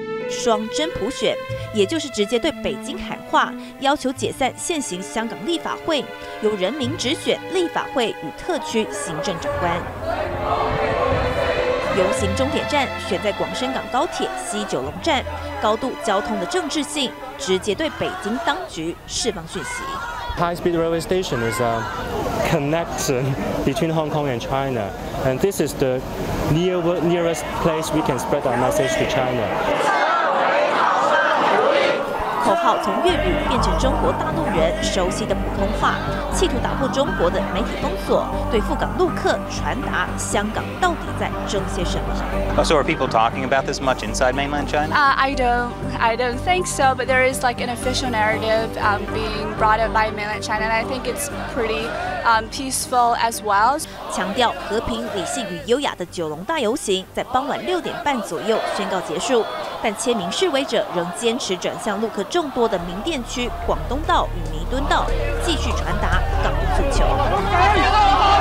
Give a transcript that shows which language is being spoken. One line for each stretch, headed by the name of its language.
Chinese: 双真普选，也就是直接对北京喊话，要求解散现行香港立法会，由人民直选立法会与特区行政长官。游行终点站选在广深港高铁西九龙站，高度交通的政治性，直接对北京当局释放讯息。
English: High speed railway station is a connection between Hong Kong and China, and this is the nearest place we can spread our message to China.
Chinese: 口号从粤语变成中国大陆人熟悉的普通话，企图打破中国的媒体封锁，对赴港陆客传达香港到底在争些什么。
English: So are people talking about this much inside mainland China? I don't think so. But there is like an official narrative being brought up by mainland China, and I think it's pretty peaceful as well.
Chinese: 强调和平、理性与优雅的九龙大游行在傍晚6:30左右宣告结束，但千名示威者仍坚持转向陆客众多的明店区广东道与弥敦道，继续传达港独诉求。